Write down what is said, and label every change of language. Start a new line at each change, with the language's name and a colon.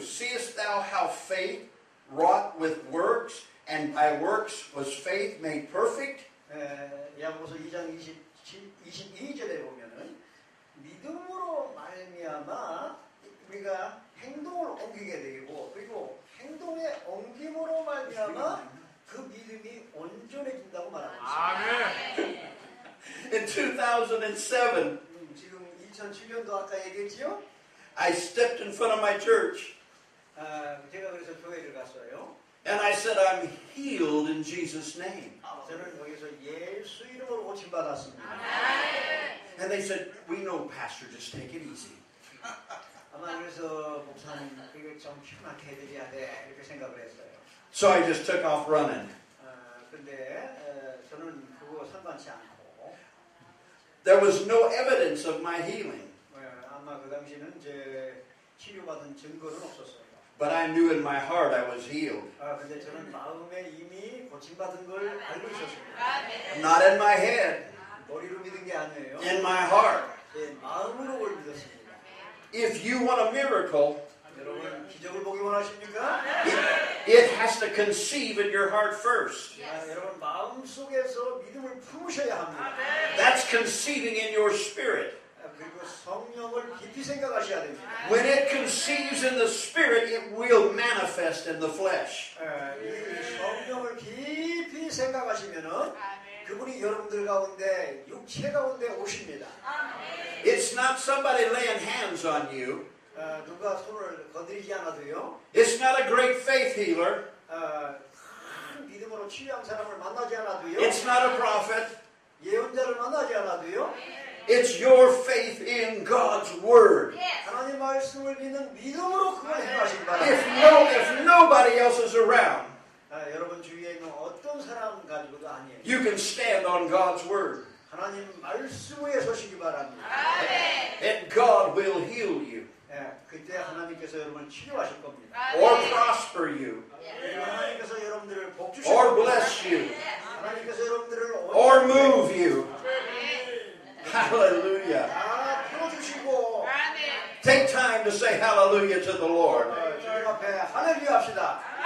English: Seest thou how faith wrought with works, and by works was faith made perfect?
Korean: 야고보서 2장 22절에 보면은 믿음으로 말미암아 우리가 행동을 옮기게 되고 그리고 행동의 옮김으로 말미암아 그 믿음이 온전해진다고 말하고 있습니다.
English: In 2007.
Korean: 지금 2007년도 아까 얘기했지요?
English: I stepped in front of my church.
Korean: 제가 그래서 교회를 갔어요.
English: And I said, I'm healed in Jesus' name.
Korean: 저는 거기서 예수 이름으로 고침 받았습니다.
English: And they said, we know, Pastor, just take it easy.
Korean: 아마 그래서 목사님, 이거 좀 편하게 해드려야 돼 이렇게 생각을 했어요.
English: So I just took off running.
Korean: 근데 저는 그거 상관치 않고.
English: There was no evidence of my healing.
Korean: 아마 그 당시는 제 치료받은 증거는 없었어요.
English: But I knew in my heart I was healed.
Korean: 근데 저는 마음에 이미 고침받은 걸 알고 있었습니다.
English: Not in my head.
Korean: 머리로 믿은 게 아니에요.
English: In my heart.
Korean: 제 마음으로 그걸 믿었습니다.
English: If you want a miracle,
Korean: 여러분 기적을 보기 원하십니까?
English: It has to conceive in your heart first.
Korean: 여러분 마음 속에서 믿음을 품으셔야 합니다.
English: That's conceiving in your spirit.
Korean: 그리고 성령을 깊이 생각하셔야 됩니다.
English: When it conceives in the spirit, it will manifest in the flesh.
Korean: 성령을 깊이 생각하시면은 그분이 여러분들 가운데 육체 가운데 오십니다.
English: It's not somebody laying hands on you.
Korean: 누가 손을 건드리지 않아도요.
English: It's not a great faith healer.
Korean: 큰 믿음으로 치유한 사람을 만나지 않아도요.
English: It's not a prophet.
Korean: 예언자를 만나지 않아도요.
English: It's your faith in God's word. Yes.
Korean: 하나님 말씀을 믿는 믿음으로 그걸 행하신 바.
English: If nobody else is around.
Korean: 여러분 주위에 있는 어떤 사람 가지고도 아니에요.
English: You can stand on God's word.
Korean: 하나님 말씀에 서시기 바랍니다.
English: And God will heal you.
Korean: 그때 하나님께서 여러분 치료하실 겁니다.
English: Or prosper you.
Korean: 하나님께서 여러분들을 복 주실 겁니다.
English: Or bless you.
Korean: 하나님께서 여러분들을
English: Or move you. Hallelujah.
Korean: 풀어주시고.
English: Take time to say hallelujah to the Lord.
Korean: 주님 앞에 할렐루야 합시다.